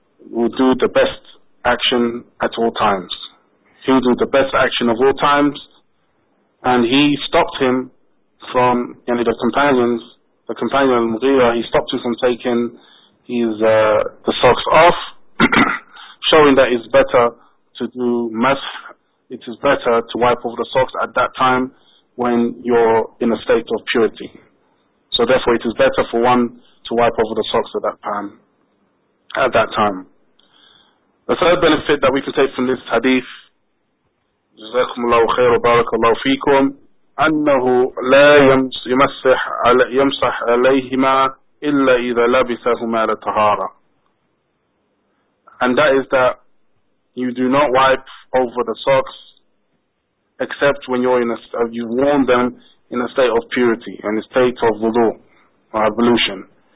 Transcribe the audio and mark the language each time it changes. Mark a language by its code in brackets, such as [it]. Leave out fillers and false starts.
[en] who do the best action at all times. He do the best action of all times, and he stopped him from, you know, the companion of Mughira, he stopped him from taking his the socks off, showing that it's better to do mas, it is better to wipe off the socks at that time when you're in a state of purity. So therefore it is better for one to wipe off the socks at that time. The third benefit that we can take from this hadith, [ar] جزاكم الله خير وبارك الله فيكم, أنه لا يمسح يمسح عليهما إلا إذا لبسهما لطهارة. [en] And that is that you do not wipe over the socks except when you're in a, you've worn them in a state of purity, in a state of wudu or ablution.